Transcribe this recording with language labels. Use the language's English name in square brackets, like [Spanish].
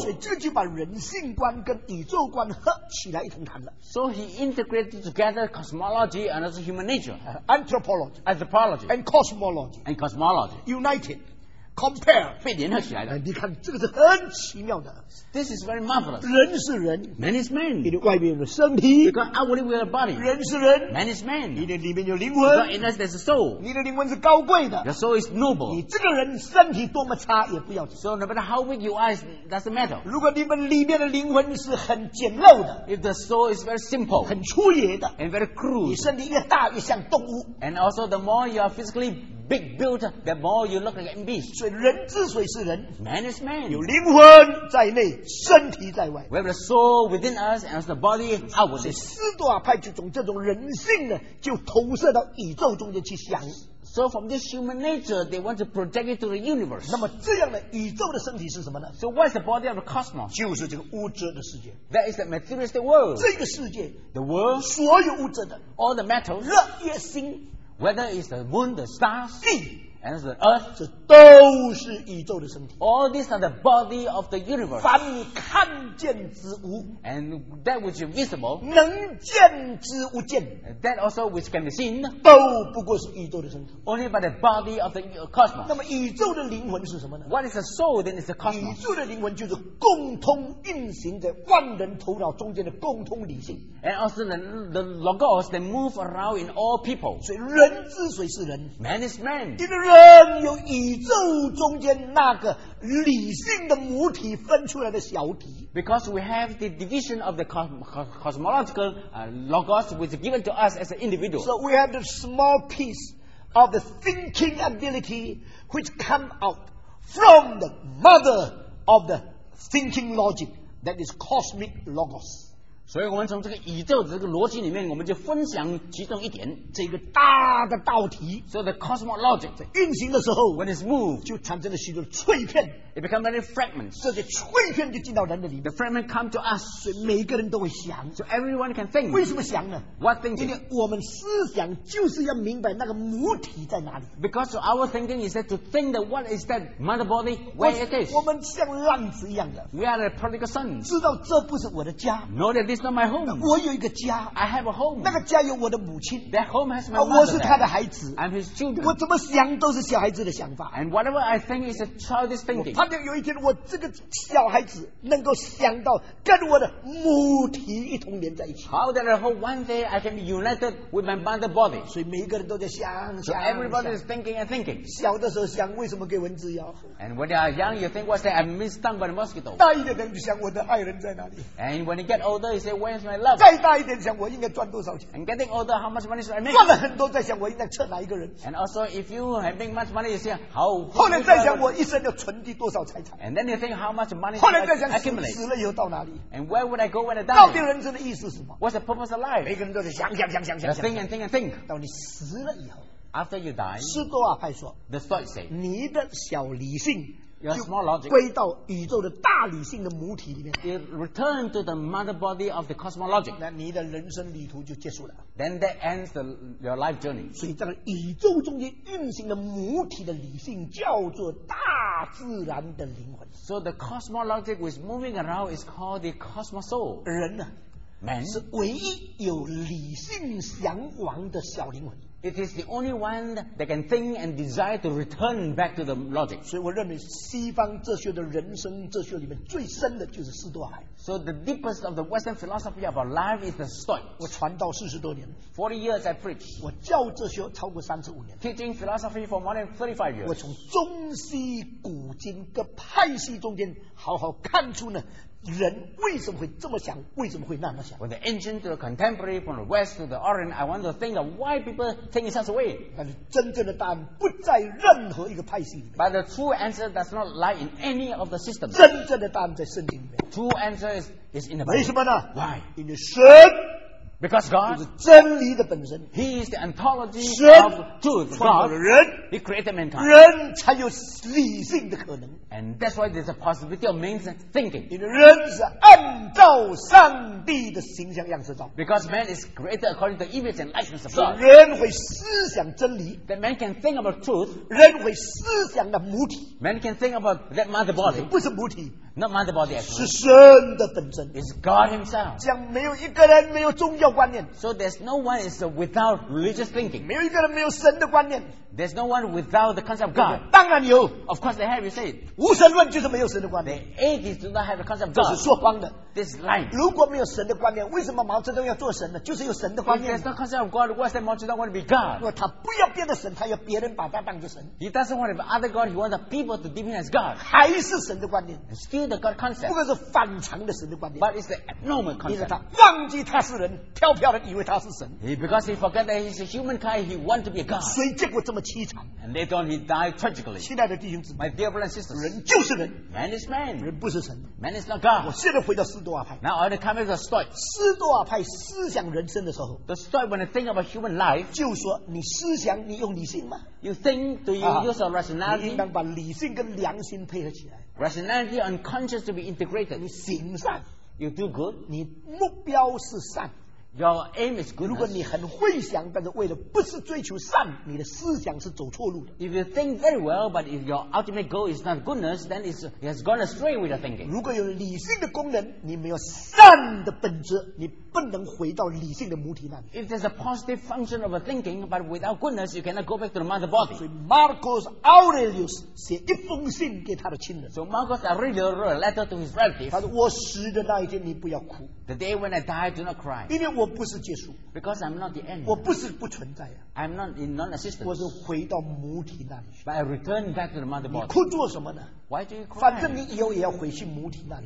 [Chinese] 所以这就把人性观跟宇宙观合起来一同谈了。 [English] So he integrated together cosmology and also human nature, anthropology, anthropology, and cosmology, and cosmology united. Compare [Chinese] 被联合起来的，你看这个是很奇妙的。 [English] This is very marvelous. [Chinese] 人是人 [English] ，man is man. [Chinese] 你的外面有身体 [English] ，you got outwardly with a body. [Chinese] 人是人 [English] ，man is man. [Chinese] 你的里面有灵魂 [English] ，you got inside there's a soul. [Chinese] 你的灵魂是高贵的 [English] ，your soul is noble. [Chinese] 你这个人身体多么差也不要紧 [English] ，so no matter how weak you are, doesn't matter. [Chinese] 如果你们里面的灵魂是很简陋的 [English] ，if the soul is very simple, [Chinese] 很粗野的 [English] ，and very crude. [Chinese] 你身体越大越像动物 [English] ，and also the more you are physically big built, the more you look like a beast. [Chinese] 所以人之所以是人 [English] ，man is man. [Chinese] 有灵魂在内，身体在外。 [English] We have the soul within us and the body outwardly. [Chinese] 斯多亚派就从这种人性呢，就投射到宇宙中间去想。 [English] So from this human nature, they want to project it to the universe. [Chinese] 那么这样的宇宙的身体是什么呢 [English] ？So what's the body of the cosmos? [Chinese] 就是这个物质的世界。 [English] That is the materialistic world. [Chinese] 这个世界 [English] ，the world， [Chinese] 所有物质的 [English] ，all the metal， [Chinese] 热液星。 [English] Whether it's the moon, the stars, sea, and the earth, [Chinese] 这都是宇宙的身体。 [English] All these are the body of the universe. [Chinese] 凡你看见之物 [English] ，and that which is visible, [Chinese] 能见之物见 [English] ，that also which can be seen, [Chinese] 都不过是宇宙的身体。 [English] Only by the body of the cosmos. [Chinese] 那么宇宙的灵魂是什么呢 [English] ？What is the soul? Then it's the cosmos. [Chinese] 宇宙的灵魂就是共通运行在万人头脑中间的共通理性。 [English] And also the logos that move around in all people. [Chinese] 所以人之所以是人 [English] ，man is man. [Chinese] 因为人有宇宙中间那个理性的母体分出来的小体。 [English] Because we have the division of the cosmological logos which is given to us as an individual. So we have the small piece of the thinking ability which come out from the mother of the thinking logic that is cosmic logos. [Chinese] 所以我们从这个宇宙的这个逻辑里面我们就分享其中一点这个大的道体 [English] So the cosmic logic [Chinese] 在运行的时候 [English] When it's moved [Chinese] 就产生了许多碎片 [English] It becomes many fragments [Chinese] 这些碎片就进到人的里面 [English] The fragment come to us [Chinese] 所以每个人都会想 [English] So everyone can think [Chinese] 为什么想呢 [English] What thinking [Chinese] 因为我们思想就是要明白那个母体在哪里 [English] Because our thinking is that to think that what is that mother body where it is [Chinese] 我们像浪子一样的 [English] We are the prodigal sons [Chinese] 知道这不是我的家 [English] Know that this not my home. [Chinese] 我有一个家 [English] I have a home. [Chinese] 那个家有我的母亲 [English] That home has my mother. [Chinese] 我是他的孩子 [English] I'm his children. [Chinese] 我怎么想都是小孩子的想法 [English] And whatever I think is a childish thinking. [Chinese] 我盼望有一天我这个小孩子能够想到跟我的母体一同连在一起 [English] How that I hope one day I can be united with my mother body. [Chinese] 所以每一个人都在想 [English] So everybody is thinking and thinking. [Chinese] 小的时候想为什么给蚊子咬 [English] And when you are young you think what's that I'm stung by the mosquito. [Chinese] 大一点的人就想我的爱人在哪里 [English] And when you get older you say,Where's my love? [Chinese] 再大一点想我应该赚多少钱 [English] And getting older How much money should I make? [Chinese] 赚了很多再想我应该撤哪一个人 [English] And also if you have made much money You say how [Chinese] 后来再想我一生要存积多少财产 [English] And then you think how much money [Chinese] 后来再想 [English] accumulate [Chinese] 死了以后到哪里 [English] And where would I go when I die? [Chinese] 到底人生的意思是什么 [English] What's the purpose of life? [Chinese] 每个人都在想想想想想 [English] Think and think and think [Chinese] 到你死了以后 [English] after you die, [Chinese] 斯多亚派说 [English] the Stoics say, [Chinese] 你的小理性 [English] your small logic, [Chinese] 归到宇宙的大理性的母体里面 [English] it returned to the mother body of the cosmologic, [Chinese] 那你的人生旅途就结束了 [English] then that ends the, your life journey, [Chinese] 所以这个宇宙中间运行的母体的理性叫做大自然的灵魂 [English] so the cosmologic which is moving around is called the cosmosoul, [Chinese] 人呢 [English] Man, [Chinese] 是唯一有理性向往的小灵魂。 [English] It is the only one that can think and desire to return back to the logic. [Chinese] 所以我认为西方哲学的人生哲学里面最深的就是斯多亚。 [English] So the deepest of the Western philosophy about life is the Stoic. [Chinese] 我传道四十多年。 [English] 40 years I preach. [Chinese] 我教哲学超过35年。 [English] Teaching philosophy for more than 35 years. [Chinese] 我从中西古今各派系中间好好看出呢。人为什么会这么想？为什么会那么想 [English] ？From the ancient to the contemporary, from the West to the Orient, I want to think of why people think in such a way. [Chinese] 但是真正的答案不在任何一个派系里面。 [English] But the true answer does not lie in any of the systems. [Chinese] 真正的答案在圣经里面。 [English] True answer is in the Bible. [Chinese] 为什么呢 [English] ？Why? In the 神。 Because God [Chinese] 是真理的本身。 [English] He is the ontology of truth. [Chinese] 神创造了人。 [English] He created mankind. [Chinese] 人才有理性的可能。 [English] And that's why there's a possibility of man's thinking. [Chinese] 因为人是按照上帝的形象样式造。 [English] Because man is created according to the image and likeness of God. [Chinese] 所以人会思想真理。 [English] That man can think about truth. [Chinese] 人会思想的母体。 [English] Man can think about that mother body. [Chinese] 不是母体。 [English] Not mother body actually. [Chinese] 是神的本身。 [English] It's God himself. [Chinese] 这样没有一个人没有宗教观念。 [English] So there's no one is without religious thinking. [Chinese] 没有一个人没有神的观念。 [English] There's no one without the concept of God. [Chinese] 当然有。 [English] Of course they have, you say it. [Chinese] 无神论就是没有神的观念。 [English] The atheists do not have the concept of God. [Chinese] 这是说谎的。 [English] This is lying. [Chinese] 如果没有神的观念，为什么毛泽东要做神呢？就是有神的观念。 [English] If there's no concept of God, why does Mao Zedong want to be God? [Chinese] 因为他不要别的神，他要别人把他当作神。 [English] He doesn't want to be other God. He wants the people to deem him as God. [Chinese] 还是神的观念。 [English] Still the God concept. [Chinese] 不过是反常的神的观念。 [English] But it's the abnormal concept. [Chinese] 因为他忘记他是人，飘飘的以为他是神。 [English] Because he forgot that he's a humankind, he wants to be a God. [Chinese] 所以结果这么凄惨。 [English] And later on, he died tragically. [Chinese] 亲爱的弟兄姊妹 [English] ，My dear brothers and sisters. [Chinese] 人就是人 [English] ，Man is man. [Chinese] 人不是神 [English] ，Man is not God. [Chinese] 我现在回到斯多亚派 [English] ，Now I'm coming to Stoic. [Chinese] 斯多亚派思想人生的时候 [English] ，The Stoic when they think about human life， [Chinese] 就说你思想你用理性吗 [English] ？You think do you use your rationality？ [Chinese] 你应当把理性跟良心配合起来 [English] ，Rationality and conscience to be integrated. [Chinese] 你行善 [English] ，You do good. [Chinese] 你目标是善。 [English] Your aim is good. [Chinese] 如果你很会想，但是为了不是追求善，你的思想是走错路的。 [English] If you think very well, but if your ultimate goal is not goodness, then it has gone astray with your thinking. [Chinese] 如果有理性的功能，你没有善的本质，你不能回到理性的母体那里。 [English] If there's a positive function of a thinking, but without goodness, you cannot go back to the mother body. [Chinese] 所以 Marcus Aurelius 写一封信给他的亲人。 [English] So Marcus Aurelius wrote a letter to his relative. [Chinese] 他说：“我死的那一天，你不要哭。 [English] The day when I die, do not cry. [Chinese] 因为我不是结束 [English] ，because I'm not the end. [Chinese] 我不是不存在呀、 [English] 啊、，I'm not in non-existence. [Chinese] 我是回到母体那里 [English] ，but I return back to the mother body. [Chinese] 你哭做什么呢 [English] ？Why do you cry？ [Chinese] 反正你以后也要回去母体那里。